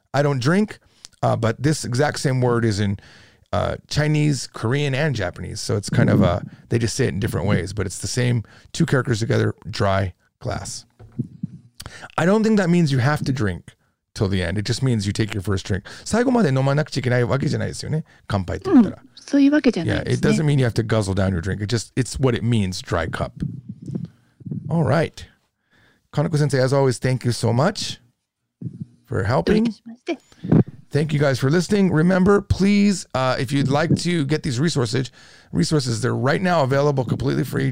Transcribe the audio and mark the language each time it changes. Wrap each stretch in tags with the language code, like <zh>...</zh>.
<en>I don't drink, but this exact same word is in Chinese, Korean, and Japanese. So it's kind of, they just say it in different ways, but it's the same two characters together, dry glass. I don't think that means you have to drink till the end. It just means you take your first drink.</en> <ja>最後まで飲まなくちゃいけないわけじゃないですよね。乾杯って言ったら。そういうわけじゃないですね。</ja> <en>Yeah, it doesn't mean you have to guzzle down your drink. It's what it means, dry cup. All right. Kanako-sensei, as always, thank you so much. For helping. Thank you guys for listening. Remember, please, if you'd like to get these resources, they're right now available completely free.</en>